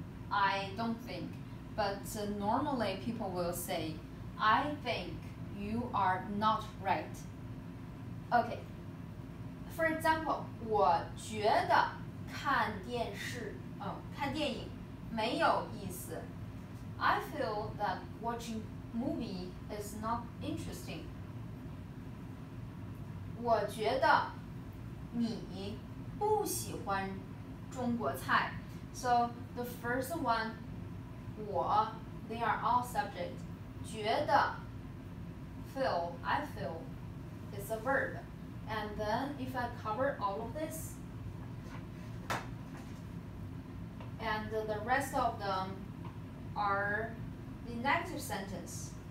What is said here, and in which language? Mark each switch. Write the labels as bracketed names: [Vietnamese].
[English] I don't think. But normally people will say, I think you are not right. Okay. For example, [Chinese] 我觉得看电视看电影没有意思。 [English] I feel that watching movie is not interesting. [Chinese] 我觉得你不喜欢中国菜。 [English] So the first one, 我, they are all subject. 觉得, feel, I feel, is a verb. And then if I cover all of this, and the rest of them are the negative sentence.